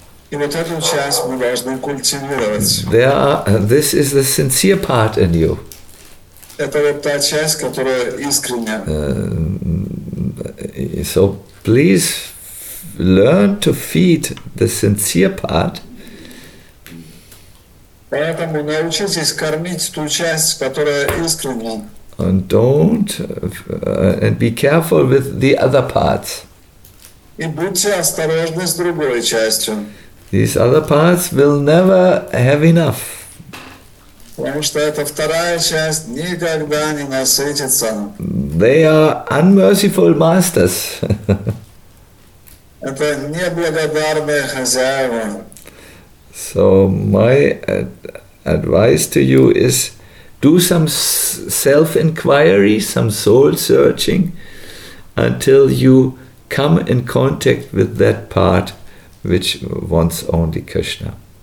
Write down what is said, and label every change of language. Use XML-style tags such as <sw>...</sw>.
<ru>И вот эту часть мы должны культивировать.</ru> <en>This is the sincere part in you.</en> <ru>Это вот та часть, которая искренняя.</ru> <en>So please learn to feed the sincere part.</en> <ru>Поэтому научитесь кормить ту часть, которая искренняя.</ru> <en>And don't and be careful with the other parts.</en> <ru>И будьте осторожны с другой частью.</ru> <en>These other parts will never have enough.</en> <ru>Потому что эта вторая часть никогда не насытится.</ru> <en>They are unmerciful masters.</en> <ru>Это неблагодарные хозяева.</ru> <en>So my advice to you is do some self-inquiry, some soul-searching until you come in contact with that part which wants only Krishna.</en>